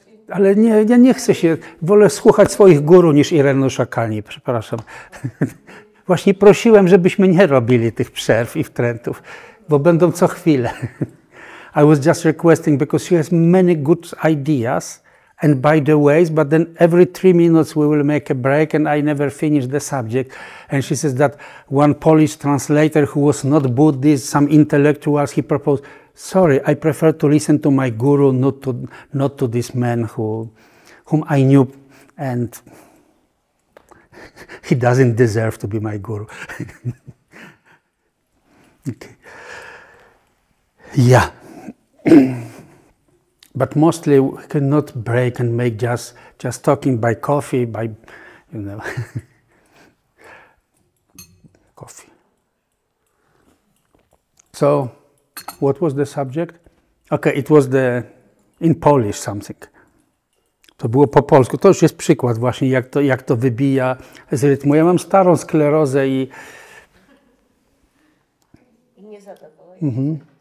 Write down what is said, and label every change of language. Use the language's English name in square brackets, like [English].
[Polish] Ale nie, ja nie chcę się, wolę słuchać swoich guru niż Ireneusza Kalni, przepraszam. Właśnie prosiłem, żebyśmy nie robili tych przerw i wtrętów, bo będą co chwilę. [English] I was just requesting, because she has many good ideas, and by the way, but then every 3 minutes we will make a break and I never finish the subject. And she says that one Polish translator who was not Buddhist, some intellectuals, he proposed, sorry, I prefer to listen to my guru, not to this man whom I knew, and he doesn't deserve to be my guru. Okay. Yeah. But mostly we cannot break and make just talking by coffee, by, you know, coffee. So, what was the subject? Okay, it was the, in Polish something. [Polish] To było po polsku. To już jest przykład właśnie, jak to wybija z rytmu. Ja mam starą sklerozę i... I nie zadowolę. Mhm.